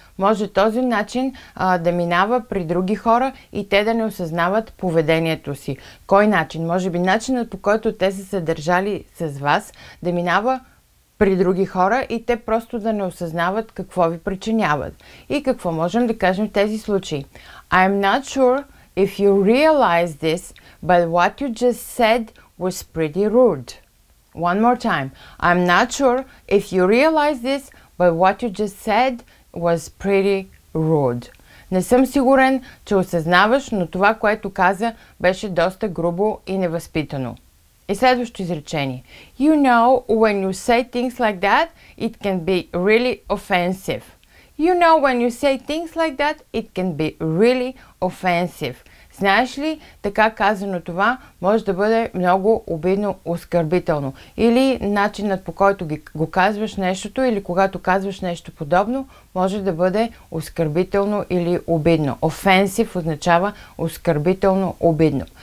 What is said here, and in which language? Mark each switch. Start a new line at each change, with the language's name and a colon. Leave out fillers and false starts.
Bulgarian: Може този начин да минава при други хора и те да не осъзнават поведението си. Кой начин? Може би начинът, по който те са се държали с вас, да минава при други хора и те просто да не осъзнават какво ви причиняват. И какво можем да кажем в тези случаи?
English: I'm not sure if you realize this, but what you just said was pretty rude. One more time. I'm not sure if you realize this, but what you just said was pretty rude.
Bulgarian: Не съм сигурен, че осъзнаваш, но това, което каза, беше доста грубо и невъзпитано. И следващото изречение.
English: You know, when you say things like that, it can be really offensive. You know, when you say things like that, it can be really offensive.
Bulgarian: Знаеш ли, така казано това може да бъде много обидно, оскърбително. Или начинът, по който го казваш нещото, или когато казваш нещо подобно, може да бъде оскърбително или обидно. Offensive означава оскърбително, обидно.